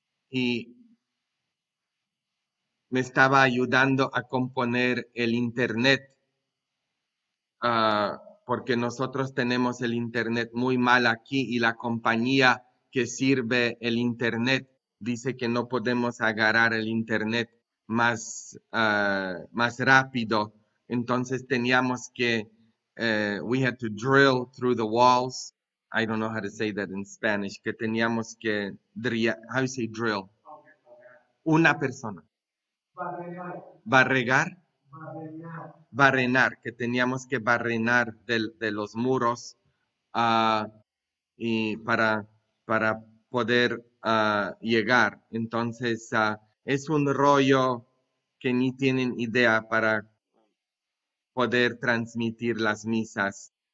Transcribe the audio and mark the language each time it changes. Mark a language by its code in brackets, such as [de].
[es] Me estaba ayudando a componer el internet, porque nosotros tenemos el internet muy mal aquí y la compañía que sirve el internet dice que no podemos agarrar el internet más rápido. Entonces teníamos que, [en] we had to drill through the walls. I don't know how to say that in Spanish, [es] que teníamos que, [en] how do you say drill? [es] Una persona. Barregar, barrenar, que teníamos que barrenar de los muros y para poder llegar. Entonces, es un rollo que ni tienen idea para poder transmitir las misas.